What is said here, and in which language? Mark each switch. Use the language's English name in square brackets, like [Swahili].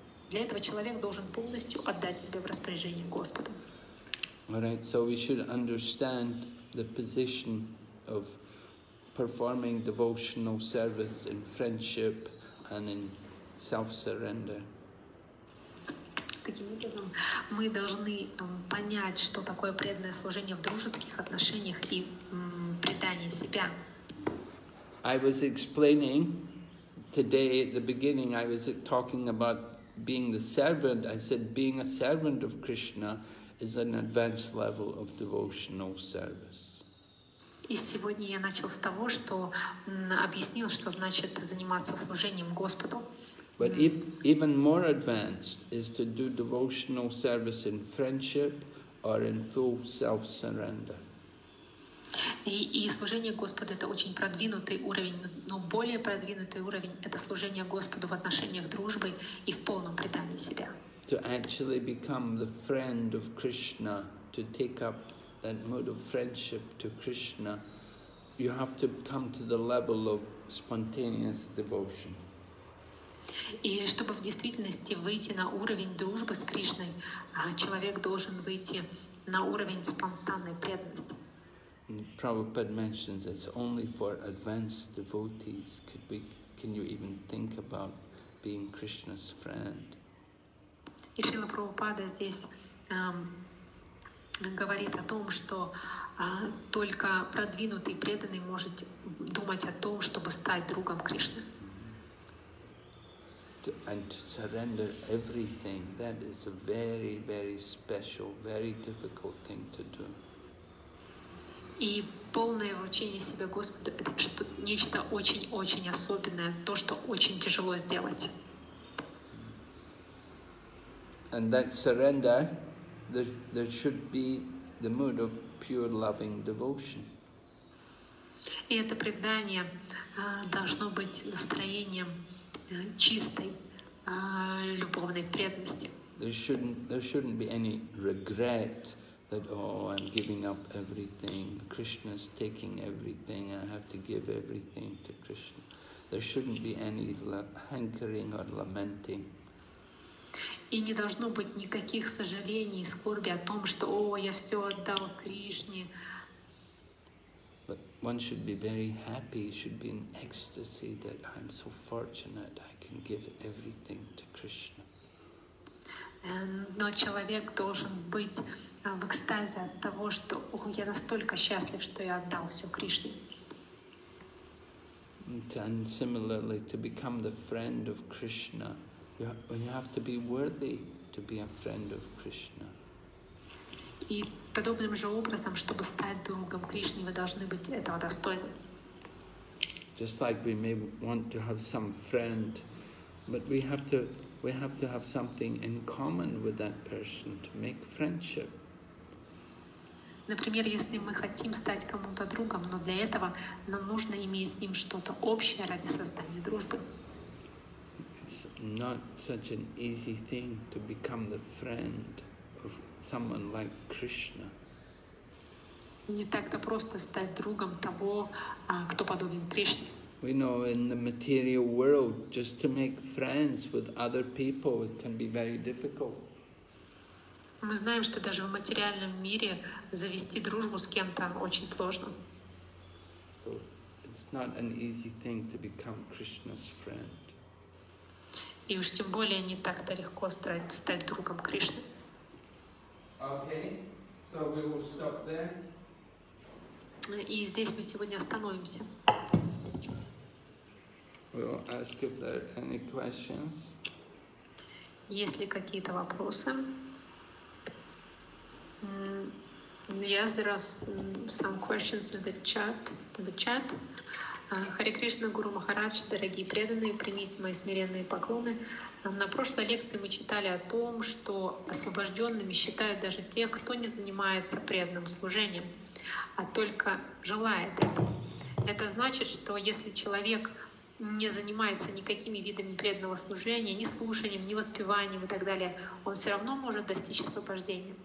[Russian] Для этого человек должен полностью отдать себя в распоряжение Господа. [English] All right, so we should understand the position of performing devotional service in friendship and in self-surrender. [Russian] Таким образом, мы должны понять, что такое преданное служение в дружеских отношениях и предание себя. [English] I was explaining today at the beginning, I was talking about being the servant. I said being a servant of Krishna is an advanced level of devotional service. [Russian] И сегодня я начал с того, что объяснил, что значит заниматься служением Господу. [English] But even more advanced is to do devotional service in friendship or in full self-surrender. [Russian] И служение Господу — это очень продвинутый уровень, но более продвинутый уровень — это служение Господу в отношениях дружбы и в полном предании себя. [English] To actually become the friend of Krishna, to take up that mode of friendship to Krishna, you have to come to the level of spontaneous devotion. [Russian] И чтобы в действительности выйти на уровень дружбы с Кришной, человек должен выйти на уровень спонтанной преданности. [English] Prabhupada mentions it's only for advanced devotees could we, Can you even think about being Krishna's friend? [Russian] И Шрила Прабхупада здесь говорит о том, что только продвинутый преданный может думать о том, чтобы стать другом Кришны. [English] And to surrender everything, that is a very, very special, very difficult thing to do. [Russian] И полное вручение себя Господу — это нечто очень-очень особенное, то, что очень тяжело сделать. [English] And that surrender, there should be the mood of pure loving devotion. [Russian] И это предание должно быть настроением чистой любовной преданности. [English] There shouldn't be any regret that, oh, I'm giving up everything, Krishna's taking everything, I have to give everything to Krishna. There shouldn't be any hankering or lamenting. [Russian] И не должно быть никаких сожалений и скорби о том, что, о, я все отдал Кришне. [English] But one should be very happy, should be in ecstasy that I'm so fortunate, I can give everything to Krishna. [Russian] Но человек должен быть в экстазе от того, что, о, я настолько счастлив, что я отдал все Кришне. [English] And similarly, to become the friend of Krishna, you have to be worthy to be a friend of Krishna. [Russian] И подобным же образом, чтобы стать другом Кришны, вы должны быть этого достойны. [English] Just like we may want to have some friend, but we have to have something in common with that person to make friendship. [Russian] Например, если мы хотим стать кому-то другом, но для этого нам нужно иметь с ним что-то общее ради создания дружбы. [English] It's not such an easy thing to become the friend of someone like Krishna. [Russian] Не так-то просто стать другом того, кто подобен Кришне. [English] We know in the material world, just to make friends with other people can be very difficult. [Russian] Мы знаем, что даже в материальном мире завести дружбу с кем-то очень сложно. [English] So it's not an easy thing to become Krishna's friend. [Russian] И уж тем более не так-то легко стать другом Кришны. [English] Okay, so we will stop there. [Russian] И здесь мы сегодня остановимся. [English] We will ask if there are any questions. [Russian] Есть ли какие-то вопросы? [English] Yes, there are some questions in the chat. [Russian] Харе Кришна, Гуру Махарадж, дорогие преданные, примите мои смиренные поклоны. На прошлой лекции мы читали о том, что освобожденными считают даже те, кто не занимается преданным служением, а только желает этого. Это значит, что если человек не занимается никакими видами преданного служения, ни слушанием, ни воспеванием и так далее, он все равно может достичь освобождения.